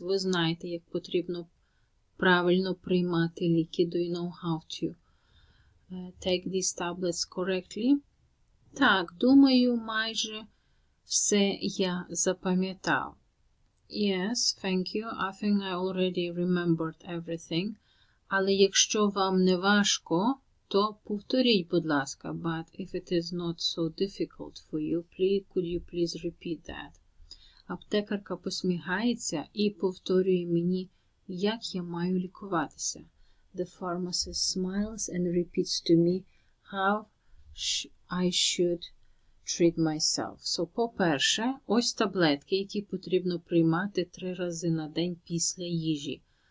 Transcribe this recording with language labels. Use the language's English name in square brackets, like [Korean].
[Ukrainian] Ви знаєте, як потрібно правильно приймати ліки. [English] Do you know how to take these tablets correctly? [Ukrainian] Так, думаю, майже все я запам'ятав. [English] Yes, thank you. I think I already remembered everything. [Ukrainian] Але якщо вам не важко, то повторіть, будь ласка. [English] But if it is not so difficult for you, please, could you please repeat that? [Ukrainian] Аптекарка посміхається і повторює мені, як я маю лікуватися. [English] The pharmacist smiles and repeats to me how I should treat myself. [Ukrainian] So, по-перше, ось таблетки, які потрібно приймати три рази на день після їжі.